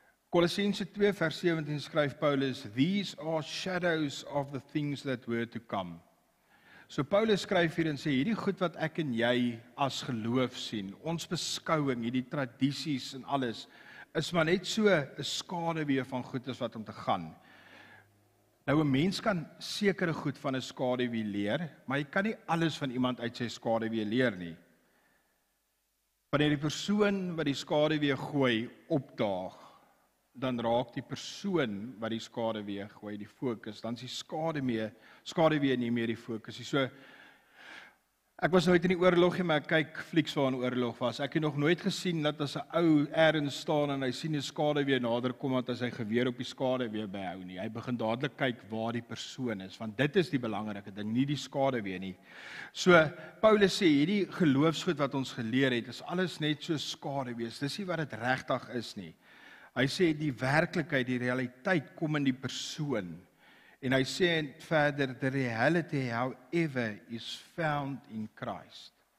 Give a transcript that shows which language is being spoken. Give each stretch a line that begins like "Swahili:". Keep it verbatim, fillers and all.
Afrikaans: Kolossense twee vers
English: seventeen
Afrikaans: skryf Paulus,
English: "These are shadows of the things that were to come."
Afrikaans: So Paulus skryf hier en sê hierdie goed wat ek en jy as geloof sien, ons beskouing, hierdie tradisies en alles, is maar net so 'n skaduwee van goed as wat om te gaan. Nou 'n mens kan sekere goed van 'n skaduwee leer, maar jy kan nie alles van iemand uit sy skaduwee leer nie. Wanneer die persoon wat die skaduwee gooi opdaag, dan raak die persoon wat die skaduwee gooi die fokus, dan is die skaduwee, skaduwee nie meer die fokus nie. So ek was nooit in die oorlog nie, maar ek kyk flieks waar 'n oorlog was. Ek het nog nooit gesien dat as 'n ou ergens staan en hy sien 'n skaduwee nader kom, dat hy sy geweer op die skaduwee behou nie. Hy begin dadelik kyk waar die persoon is, want dit is die belangrike ding, nie die skaduwee nie. So Paulus sê hierdie geloofsgoed wat ons geleer het, is alles net so skaduwees. Dis nie wat dit regtig is nie. Hy sê die werklikheid, die realiteit kom in die persoon. En hy sê verder,
English: the reality, however, is found in Christ.